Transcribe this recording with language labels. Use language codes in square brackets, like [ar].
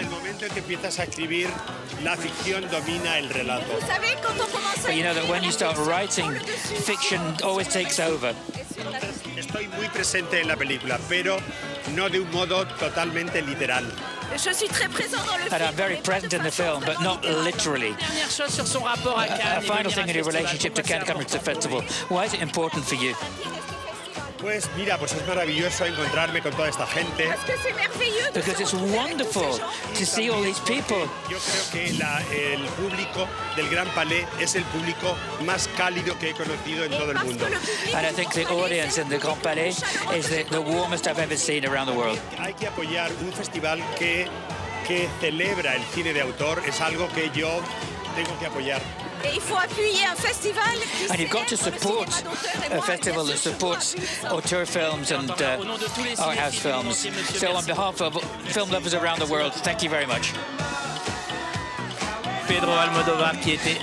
[es] Desde el momento en que empiezas a escribir, la ficción domina el relato. [en] But you know that when you start writing, fiction always takes over. [es] Estoy muy presente en la película, pero no de un modo totalmente literal. [fr] Je suis très présent dans le film. [en] And I'm very present in the film, but not literally. A final thing in your relationship to Cannes coming to the festival. Why is it important for you? [es] Pues mira, pues es maravilloso encontrarme con toda esta gente. [en] Because it's wonderful to see all these people. [es] Yo creo que el público del Gran Palais es el público más cálido que he conocido en todo el mundo. [en] And I think the audience in the Grand Palais is the warmest I've ever seen around the world. [es] Hay que apoyar un festival que celebra el cine de autor. Es algo que yo tengo que apoyar. [en] And you've got to support a festival that supports auteur films and art house films. So on behalf of film lovers around the world, thank you very much. [fr] Pedro Almodóvar qui était